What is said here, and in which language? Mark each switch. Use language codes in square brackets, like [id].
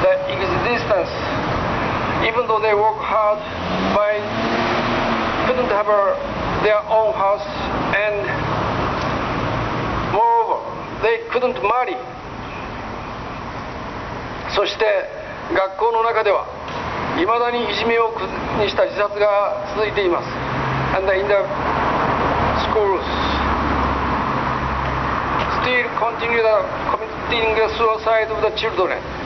[en] The existence, even though they work hard, by couldn't have their own house, and moreover, they couldn't marry. [ja] そして学校の中では、いまだにいじめをにした自殺が続いています。 [en] And in the schools. Still continue the committing suicide of the children.